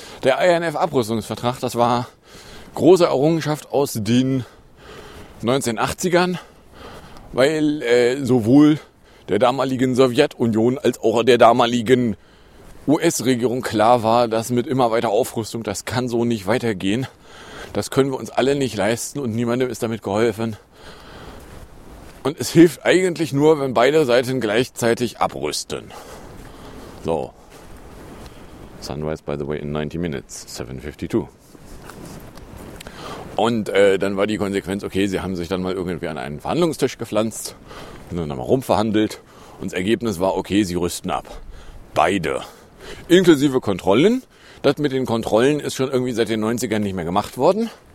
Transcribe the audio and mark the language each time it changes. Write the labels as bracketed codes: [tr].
[de] Der INF-Abrüstungsvertrag, das war große Errungenschaft aus den 1980ern, weil sowohl der damaligen Sowjetunion als auch der damaligen US-Regierung klar war, dass mit immer weiter Aufrüstung, das kann so nicht weitergehen. Das können wir uns alle nicht leisten und niemandem ist damit geholfen. Und es hilft eigentlich nur, wenn beide Seiten gleichzeitig abrüsten. So. [en] Sunrise, by the way, in 90 minutes. 7:52. [de] Und dann war die Konsequenz, okay, sie haben sich dann mal irgendwie an einen Verhandlungstisch gepflanzt. Sind dann nochmal rumverhandelt. Und das Ergebnis war, okay, sie rüsten ab. Beide. Inklusive Kontrollen. Das mit den Kontrollen ist schon irgendwie seit den 90ern nicht mehr gemacht worden.